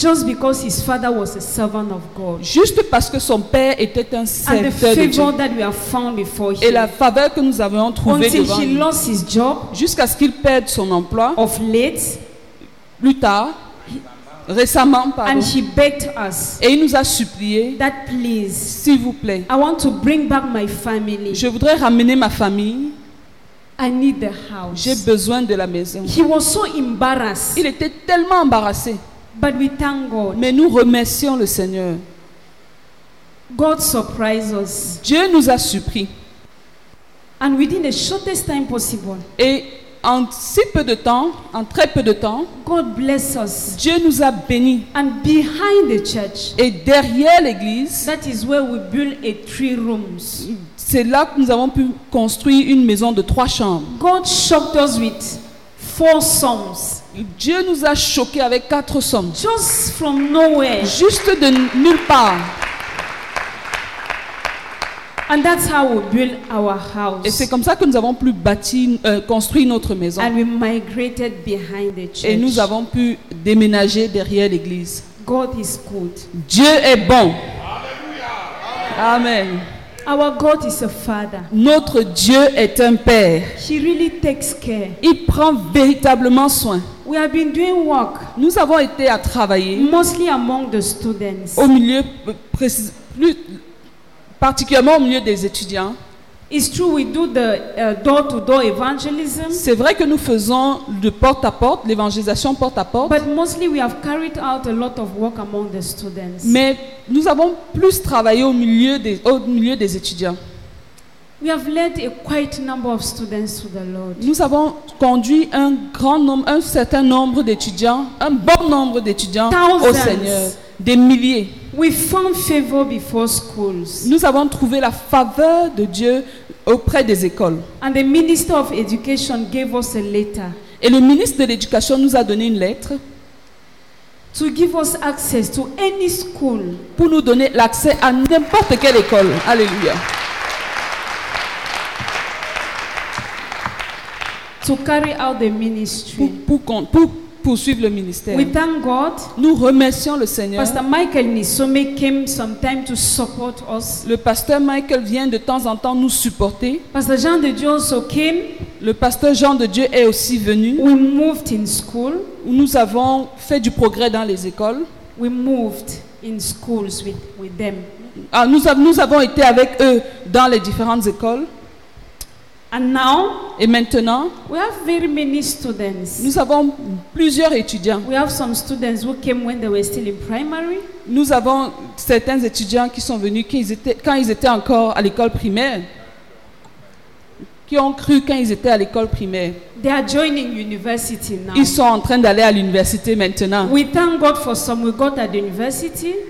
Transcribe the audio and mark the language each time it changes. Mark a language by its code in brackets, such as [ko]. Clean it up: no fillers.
[en] Just because his father was a servant of God. [fr] Juste parce que son père était un serviteur [en] and the favor [fr] de Dieu. [en] That we have found before [fr] et la faveur que nous avons trouvée [en] until [fr] devant [en] he [fr] lui. [en] Lost his job. [fr] Jusqu'à ce qu'il perde son emploi. [en] Of late. [fr] Plus tard. Récemment, pardon. [en] And he begged us. [fr] Et il nous a supplié. [en] That please. [fr] S'il vous plaît. [en] I want to bring back my family. [fr] Je voudrais ramener ma famille. [en] I need the house. [fr] J'ai besoin de la maison. [en] He was so embarrassed. [fr] Il était tellement embarrassé. [en] But we thank God. [fr] Mais nous remercions le Seigneur. [en] God surprised us. [fr] Dieu nous a surpris. [en] And within the shortest time possible. [fr] Et en si peu de temps, en très peu de temps, [en] God bless us. [fr] Dieu nous a bénis. [en] And behind the church, [fr] et derrière l'église, [en] that is where we build a three rooms. [fr] C'est là que nous avons pu construire une maison de trois chambres. [en] God shocked us with four sums. [fr] Dieu nous a choqués avec quatre sommes. [en] Just from nowhere. [fr] Juste de nulle part. [en] And that's how we build our house. [fr] Et c'est comme ça que nous avons pu construire notre maison. [en] And we migrated behind the church. [fr] Et nous avons pu déménager derrière l'église. [en] God is good. [fr] Dieu est bon. Alléluia. Amen. [en] Our God is a father. [fr] Notre Dieu est un père. [en] He really takes care. [fr] Il prend véritablement soin. [en] We have been doing work. [fr] Nous avons été à travailler. [en] Mostly among the students. [fr] Au milieu, plus particulièrement au milieu des étudiants. [en] It's true we do the door-to-door evangelism. [fr] C'est vrai que nous faisons le porte-à-porte, l'évangélisation porte-à-porte. [en] But mostly we have carried out a lot of work among the students. [fr] Mais nous avons plus travaillé au milieu des étudiants. [en] We have led a quiet number of students to the Lord. [fr] Nous avons conduit un grand nombre, un certain nombre d'étudiants, un bon nombre d'étudiants [en] thousands [fr] au Seigneur, des milliers. [en] We found favor before schools. [fr] Nous avons trouvé la faveur de Dieu auprès des écoles. [en] And the minister of education gave us a letter. [fr] Et le ministre de l'éducation nous a donné une lettre. [en] To give us access to any school. [fr] Pour nous donner l'accès à n'importe quelle école. Alléluia. [en] To carry out the ministry. [fr] Pour poursuivre le ministère. [en] We thank God. [fr] Nous remercions le Seigneur. [en] Pastor Michael Nisome came sometime to support us. [fr] Le pasteur Michael vient de temps en temps nous supporter. [en] Pastor Jean de Dieu also came. [fr] Le pasteur Jean de Dieu est aussi venu. [en] We moved in school. [fr] Où nous avons fait du progrès dans les écoles. [en] We moved in schools with them. [fr] Ah, nous avons été avec eux dans les différentes écoles. [en] And now, [fr] et maintenant, [en] we have very many students. [fr] Nous avons plusieurs étudiants. [en] We have some students who came when they were still in primary. [fr] Nous avons certains étudiants qui sont venus quand ils étaient encore à l'école primaire, qui ont cru quand ils étaient à l'école primaire. [en] They are joining university now. [fr] Ils sont en train d'aller à l'université maintenant. [en] We thank God for some we got at university.